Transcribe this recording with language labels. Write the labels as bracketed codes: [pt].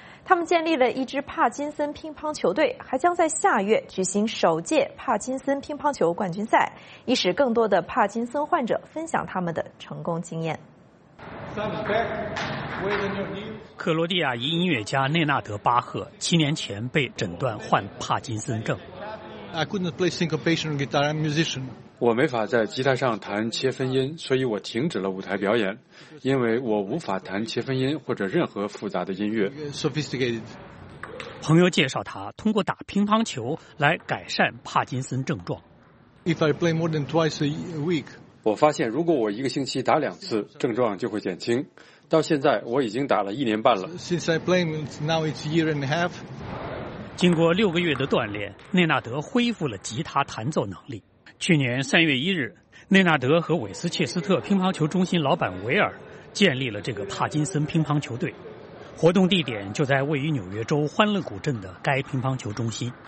[zh] 他们建立了一支帕金森乒乓球队，还将在下月举行首届帕金森乒乓球冠军赛，以使更多的帕金森患者分享他们的成功经验。克罗地亚裔音乐家内纳德·巴赫7年前被诊断患帕金森症。 [en] I couldn't play syncopation guitar, I'm a musician. [zh] 我没法在吉他上弹切分音，所以我停止了舞台表演，因为我无法弹切分音或者任何复杂的音乐。 [en] Sophisticated. [zh] 朋友介绍他通过打乒乓球来改善帕金森症状。 [en] If I play more than twice a week. [zh] 我发现如果我一个星期打2次，症状就会减轻。到现在我已经打了1年半了。 [en] Since I play, now it's a year and a half. [zh] 经过6个月的锻炼，内纳德恢复了吉他弹奏能力。去年3月1日，内纳德和韦斯切斯特乒乓球中心老板维尔建立了这个帕金森乒乓球队，活动地点就在位于纽约州欢乐谷镇的该乒乓球中心。